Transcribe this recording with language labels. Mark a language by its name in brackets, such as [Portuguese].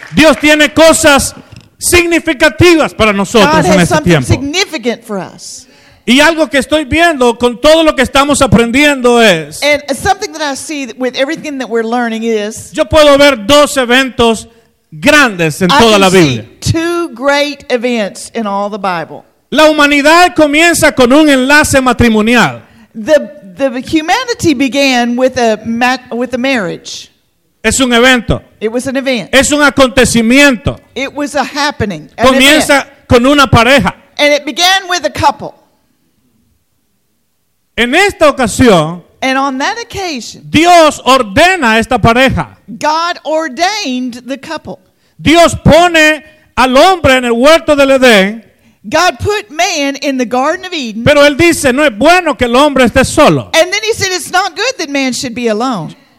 [Spanish] Dios tiene cosas significativas para nosotros en este tiempo. [English] God has something significant for us. [Spanish] Y algo que estoy viendo con todo lo que estamos aprendiendo es. [English] And something that I see with everything that we're learning is. [Spanish] Yo puedo ver dos eventos grandes en toda la Biblia. [English] I can see two great events in all the Bible. [Spanish] La humanidad comienza con un enlace matrimonial. [English] The humanity began with a marriage. [Spanish] Es un evento. [English] It was an event. [Spanish] Es un acontecimiento. [English] It was a happening. [Spanish] Comienza con una pareja. [English] And it began with a couple. [Spanish] En esta ocasión, [English] and on that occasion, [Spanish] Dios ordena esta pareja. [English] God ordained the couple. [Spanish] Dios pone al hombre en el huerto del Edén. [English] God put man in the Garden of Eden. [Spanish] Pero él dice, no es bueno que el hombre esté solo. [English] And then he said, it's not good that man should be alone.